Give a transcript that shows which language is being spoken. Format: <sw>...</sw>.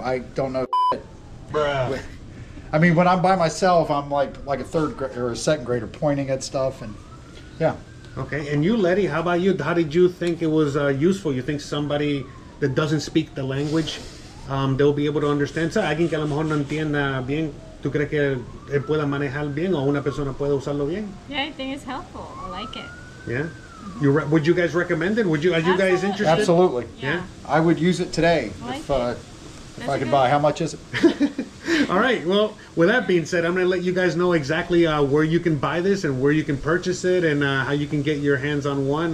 <en>I don't know shit. Bruh. I mean, when I'm by myself, I'm like a third grader or a second grader pointing at stuff and yeah. Okay, and you, Letty, how about you? How did you think it was useful? You think somebody that doesn't speak the language, they'll be able to understand?</en> <es>So, alguien que a lo mejor no entienda bien, ¿tú crees que él pueda manejar bien o una persona puede usarlo bien?</es> <en>Yeah, I think it's helpful. I like it. Yeah? Mm-hmm. Would you guys recommend it? Are you guys interested? Absolutely. Yeah. I would use it today if I could buy. How much is it? All right. Well, with that being said, I'm going to let you guys know exactly where you can buy this and where you can purchase it and how you can get your hands on one.</en>